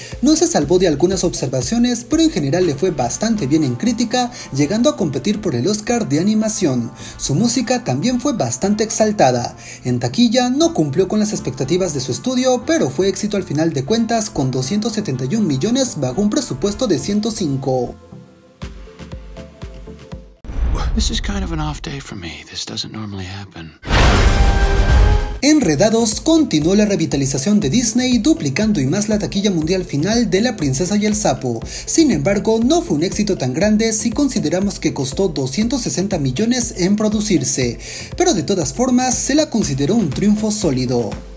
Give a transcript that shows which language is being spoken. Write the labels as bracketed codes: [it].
[es] No se salvó de algunas observaciones, pero en general le fue bastante bien en crítica, llegando a competir por el Oscar de animación. Su música también fue bastante exaltada. En taquilla no cumplió con las expectativas de su estudio, pero fue éxito al final de cuentas con 271 millones bajo un presupuesto de 105. [en] This is kind of an off day for me. This doesn't normally happen. [es] Enredados continuó la revitalización de Disney, duplicando y más la taquilla mundial final de La Princesa y el Sapo. Sin embargo, no fue un éxito tan grande si consideramos que costó 260 millones en producirse. Pero de todas formas, se la consideró un triunfo sólido.